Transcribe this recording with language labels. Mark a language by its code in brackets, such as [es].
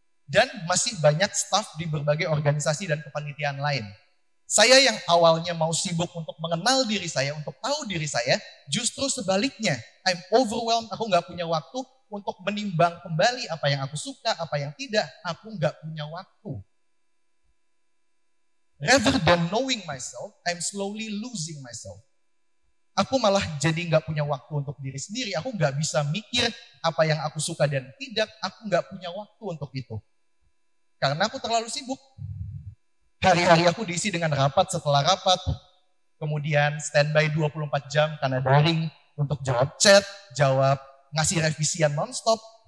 [id] Dan masih banyak staff di berbagai organisasi dan kepanitiaan lain. Saya yang awalnya mau sibuk untuk mengenal diri saya, untuk tahu diri saya, justru sebaliknya, [en] I'm overwhelmed, [id] aku gak punya waktu untuk menimbang kembali apa yang aku suka, apa yang tidak, aku gak punya waktu. [en] Rather than knowing myself, I'm slowly losing myself. [id] Aku malah jadi gak punya waktu untuk diri sendiri, aku gak bisa mikir apa yang aku suka dan tidak, aku gak punya waktu untuk itu. Karena aku terlalu sibuk. Hari-hari aku diisi dengan rapat setelah rapat, kemudian standby 24 jam karena daring untuk jawab chat, jawab ngasih revisian non-stop.